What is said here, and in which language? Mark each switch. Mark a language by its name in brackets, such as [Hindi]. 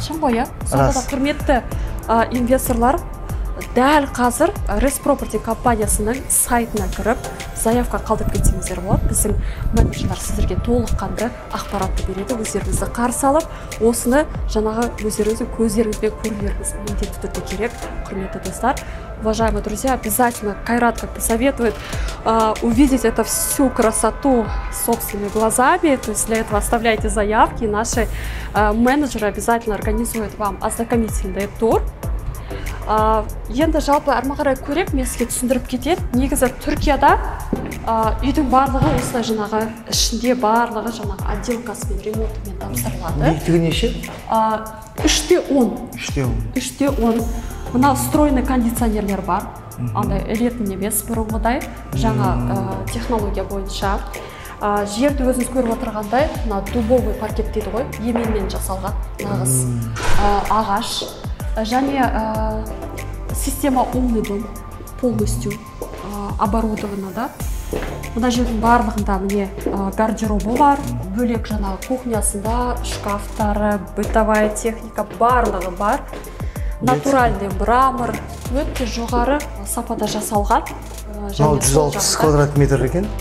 [Kazakh] Шын ғой, иә. Сонда да құрметті инвесторлар, дәл қазір Res Property компаниясының сайтына кіріп, заявка қалдырып кетсеңіздер болады. Біздің менеджерлер сіздерге толыққанды ақпаратты береді, өздеріңізді қарсы алып, осыны жаңағы өздеріңізді көздеріңізбен көрілеріңіз міндетті түрде керек, құрметті достар. [Russian] Уважаемые друзья, обязательно Кайрат как-то советует увидеть эту всю красоту собственными глазами. То есть для этого оставляйте заявки. Наши менеджеры обязательно организуют вам ознакомительный тур. [Kazakh] Енді жалпы армағарай көрек, меске түсіндіріп кетет. Негізі Түркияда үйдің барлығы осылай жаңағы ішінде барлығы жаңағы отделкасымен, ремонтымен тапсырылады. Биіктігі неше? 3-10. 3-10. 3-10. Мына встроенный кондиционерлер бар. Андай ретін емес бұрынғыдай. Жаңа технология бойынша. Жерді өзіңіз көріп отырғандай, мына дубовый паркет дейді ғой, еменнен жасалған нағыз ағаш. [Russian] Және система умный дом полностью оборудована, да. [Kazakh] Мына жердің барлығында міне гардеробы бар, бөлек жаңағы кухнясында шкафтары, бытовая техника, барлығы бар. Натуральный мрамор, өте жоғары сапада жасалған. 160 квадрат метр екен.